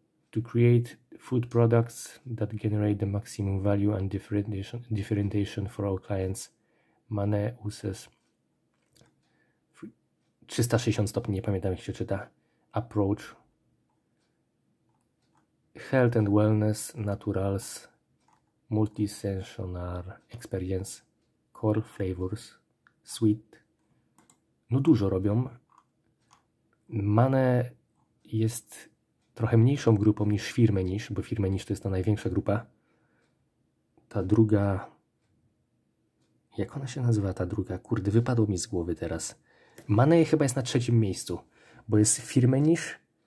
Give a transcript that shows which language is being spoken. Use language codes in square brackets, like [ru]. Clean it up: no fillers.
[en] To create food products that generate the maximum value and differentiation for our clients. Manet uses 360 [pl] stopni, nie pamiętam jak się czyta. [en] Approach. Health and wellness, naturals, multisensory experience, core flavors, sweet. [pl] No dużo robią. Manet jest trochę mniejszą grupą niż Firmenich, bo Firmenich to jest ta największa grupa. Ta druga. Jak ona się nazywa, ta druga? Kurde, wypadło mi z głowy teraz. Manet chyba jest na trzecim miejscu, bo jest Firmenich.